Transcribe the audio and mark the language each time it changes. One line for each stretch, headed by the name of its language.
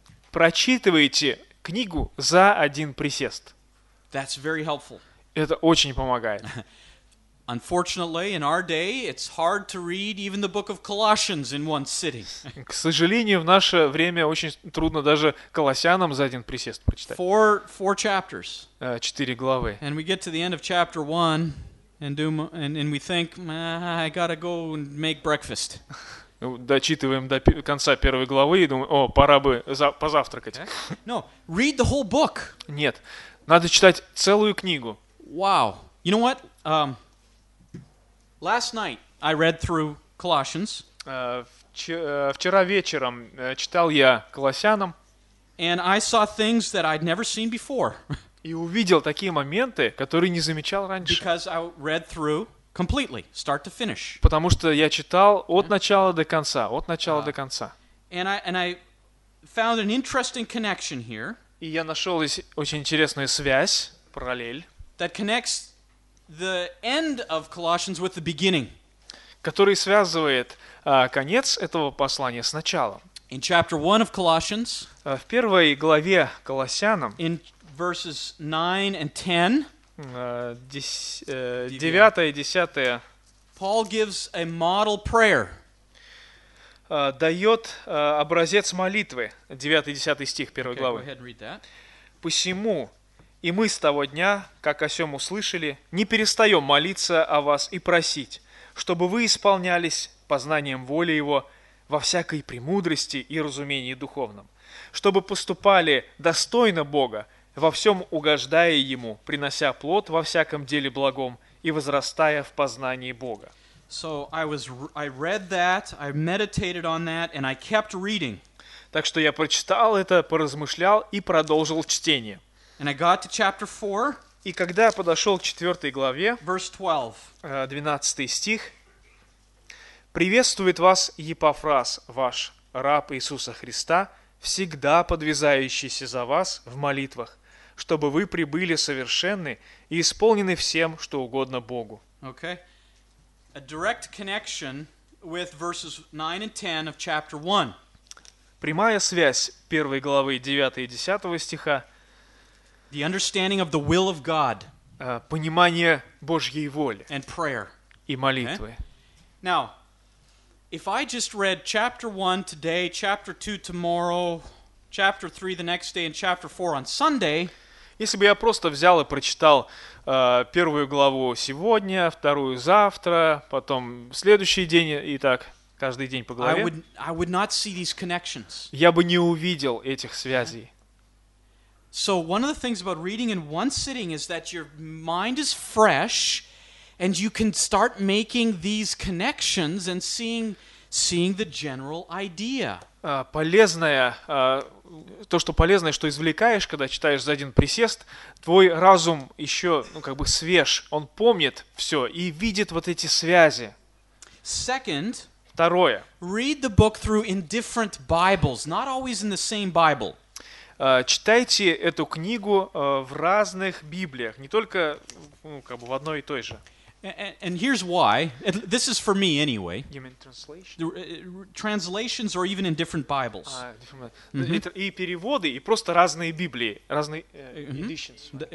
Russian: Прочитывайте книгу за один присест. Это очень помогает.
English: Unfortunately, in our day, it's hard to read even the book of Colossians in one sitting.
Russian: К сожалению, в наше время очень трудно даже Колоссянам за один присест прочитать.
English: Four chapters.
Russian: Четыре главы.
English: And we get to the end of chapter one, and we think, I gotta go and make breakfast.
Russian: Дочитываем до конца первой главы и думаем, о, пора бы позавтракать.
English: No, read the whole book.
Russian: Нет, надо читать целую книгу.
English: Wow, you know what? Last night I read through Colossians.
Russian: Вчера вечером читал я Колоссянам.
English: And I saw things that I'd never seen before.
Russian: И увидел такие моменты, которые не замечал раньше.
English: Because I read through completely, start to finish.
Russian: Потому что я читал от начала до конца, от начала до конца.
English: And I found an interesting connection here.
Russian: И я нашел здесь очень интересную связь, параллель.
English: That connects the end of Colossians with the beginning.
Russian: Который связывает конец этого послания с началом.
English: In chapter 1 of Colossians,
Russian: в первой главе Колоссянам,
English: in verses 9 and 10,
Russian: 9 и 10,
English: Paul gives a model prayer.
Russian: Дает образец молитвы. 9 и 10 стих первой
English: okay,
Russian: главы.
English: Go ahead and read that.
Russian: Посему и мы с того дня, как о сём услышали, не перестаем молиться о вас и просить, чтобы вы исполнялись познанием воли Его во всякой премудрости и разумении духовном, чтобы поступали достойно Бога, во всем угождая Ему, принося плод во всяком деле благом и возрастая в познании Бога.
English: So I read that, I meditated on that, and I kept reading.
Russian: Так что я прочитал это, поразмышлял и продолжил чтение.
English: And I got to chapter 4.
Russian: И когда я подошел к четвертой главе,
English: verse 12.
Russian: 12 стих. Приветствует вас Епафраз, ваш раб Иисуса Христа, всегда подвязающийся за вас в молитвах, чтобы вы прибыли совершенны и исполнены всем, что угодно Богу.
English: Okay. A direct connection with verses 9 and 10 of chapter 1.
Russian: Прямая связь первой главы 9 и 10 стиха.
English: The understanding of the will of God.
Russian: Понимание Божьей воли.
English: And prayer.
Russian: И молитвы. Okay?
English: Now, if I just read chapter 1 today, chapter 2 tomorrow, chapter 3 the next day, and chapter 4 on Sunday.
Russian: Если бы я просто взял и прочитал первую главу сегодня, вторую завтра, потом следующий день и так каждый день по главе.
English: I would not see these connections.
Russian: Я бы не увидел этих связей.
English: Okay? So one of the things about reading in one sitting is that your mind is fresh and you can start making these connections and seeing the general idea.
Russian: Полезное, что извлекаешь, когда читаешь за один присест, твой разум еще, ну, как бы свеж, он помнит все и видит вот эти связи.
English: Second,
Russian: второе.
English: Read the book through in different Bibles, not always in the same Bible.
Russian: Читайте эту книгу в разных Библиях, не только, ну, как бы в одной и той же.
English: And here's why. This is for me anyway. You mean translation? Translations or even in different Bibles. Mm-hmm.
Russian: И переводы, и просто разные Библии, разные
English: editions.